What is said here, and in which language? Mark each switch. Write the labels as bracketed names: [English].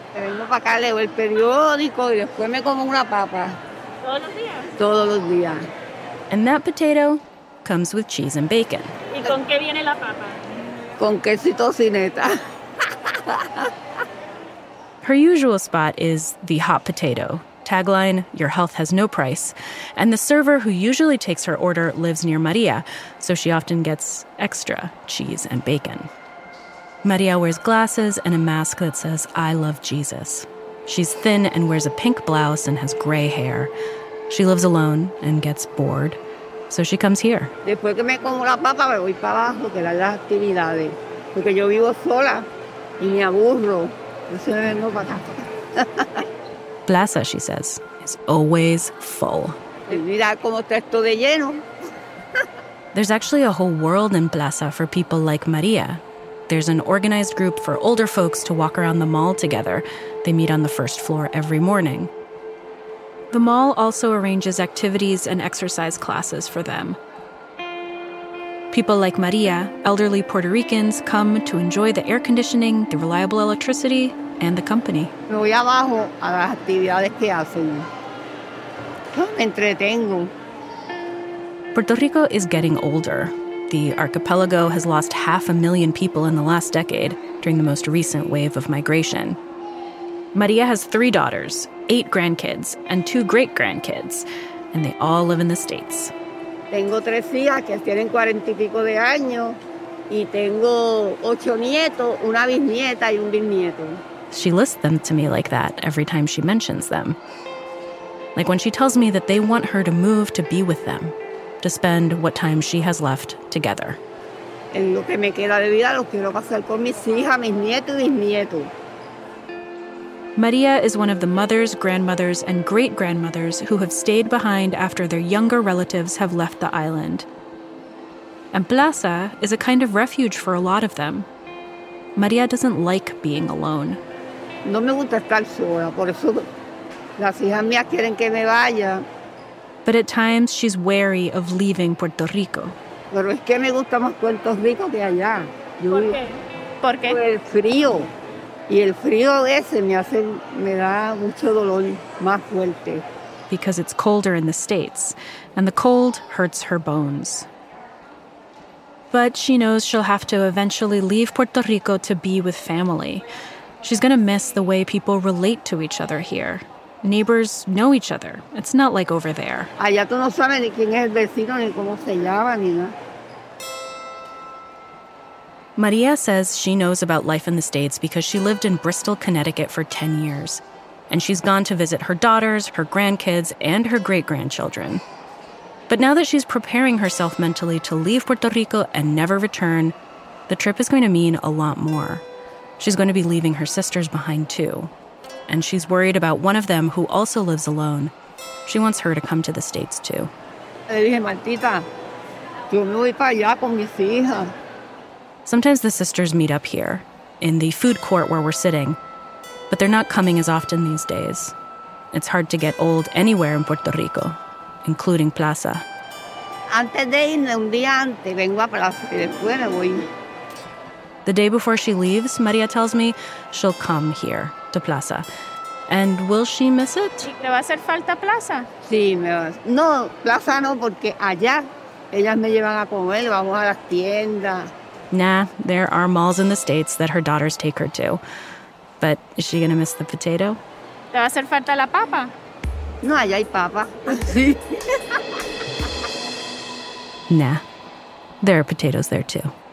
[Spanish] Vengo para acá, leo el periódico y después me como una papa. Todos los días. Todos los días. [English] And that potato comes with cheese and bacon. [Spanish] ¿Y con qué viene la papa? Con quesito cineta. [English] Her usual spot is the hot potato. Tagline, your health has no price. And the server who usually takes her order lives near María, so she often gets extra cheese and bacon. María wears glasses and a mask that says, I love Jesus. She's thin and wears a pink blouse and has gray hair. She lives alone and gets bored, so she comes here. [Spanish] Después que me como la papa, me voy para abajo, que las actividades. Porque yo vivo sola y me aburro. Entonces me vengo para acá. [English] Plaza, she says, is always full. [Spanish] Mira cómo está esto de lleno. [English] There's actually a whole world in Plaza for people like María. There's an organized group for older folks to walk around the mall together. They meet on the first floor every morning. The mall also arranges activities and exercise classes for them. People like María, elderly Puerto Ricans, come to enjoy the air conditioning, the reliable electricity, and the company. [Spanish] Me voy abajo a las actividades que hacen. Me entretengo. [English] Puerto Rico is getting older. The archipelago has lost 500,000 people in the last decade during the most recent wave of migration. María has 3 daughters, 8 grandkids, and 2 great-grandkids, and they all live in the States. [Spanish] Tengo 3 hijas que tienen 40 y pico de años, y tengo 8 nietos, una bisnieta y un bisnieto. [English] She lists them to me like that every time she mentions them. Like when she tells me that they want her to move to be with them, to spend what time she has left together. [Spanish] En lo que me queda de vida, lo quiero pasar con mis hijas, mis nietos y bisnietos. [English] María is one of the mothers, grandmothers, and great-grandmothers who have stayed behind after their younger relatives have left the island. And Plaza is a kind of refuge for a lot of them. María doesn't like being alone. [Spanish] No me gusta estar sola, por eso las hijas mías quieren que me vaya. [English] But at times, she's wary of leaving Puerto Rico. [Spanish] Pero es que me gusta más Puerto Rico que allá. Yo, ¿por qué? Por el frío. Y el frío ese me da mucho dolor más fuerte. [English] Because it's colder in the States, and the cold hurts her bones. But she knows she'll have to eventually leave Puerto Rico to be with family. She's going to miss the way people relate to each other here. Neighbors know each other. It's not like over there. [Spanish] Allá tú no sabes ni quién es el vecino, ni cómo se llama, ni nada. [English] María says she knows about life in the States because she lived in Bristol, Connecticut for 10 years. And she's gone to visit her daughters, her grandkids, and her great-grandchildren. But now that she's preparing herself mentally to leave Puerto Rico and never return, the trip is going to mean a lot more. She's going to be leaving her sisters behind, too. And she's worried about one of them who also lives alone. She wants her to come to the States, too. [Spanish] Le dije, Martita, yo me voy para allá con mis hijas. [English] Sometimes the sisters meet up here, in the food court where we're sitting, but they're not coming as often these days. It's hard to get old anywhere in Puerto Rico, including Plaza. [Spanish] Antes de irme, un día antes, vengo a Plaza y después me voy. [English] The day before she leaves, María tells me she'll come here, to Plaza. And will she miss it? [Spanish] ¿Le va a hacer falta Plaza? Sí, me va. No, Plaza no, porque allá ellas me llevan a comer, vamos a las tiendas. [English] Nah, there are malls in the States that her daughters take her to. But is she going to miss the potato? [Spanish] ¿Te va a hacer falta la papa? No, allá hay papa. [English] Nah, there are potatoes there too.